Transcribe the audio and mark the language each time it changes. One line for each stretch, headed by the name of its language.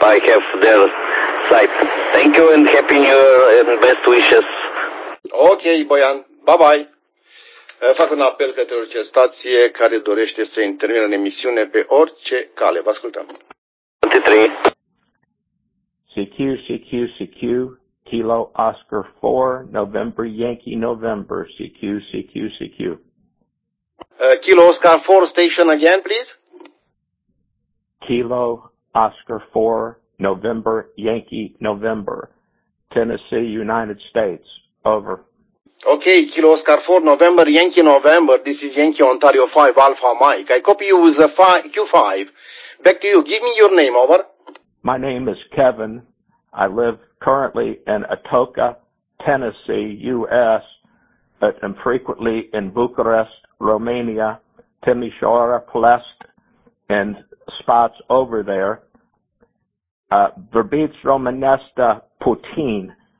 English: I have their site. Thank you and Happy New Year and best wishes. Okay, Bojan. Bye-bye.
Romanian: Fac un apel către orice stație care dorește să intervină în emisiune pe orice cale. Vă ascultăm.
English: CQ, Kilo Oscar 4, November, Yankee November, CQ. Kilo Oscar 4, station again, please. Kilo Oscar 4, November, Yankee November, Tennessee, United States, over. Okay, Kilo Oscar 4, November, Yankee November, this is Yankee Ontario 5, Alpha Mike. I copy you with Q5. Back to you. Give me your name, over. My name is Kevin. I live currently in Atoka, Tennessee, U.S., but am frequently in Bucharest, Romania, Timișoara, Plest, and spots over there.
Romanian: Verbiți Romanesta Putin.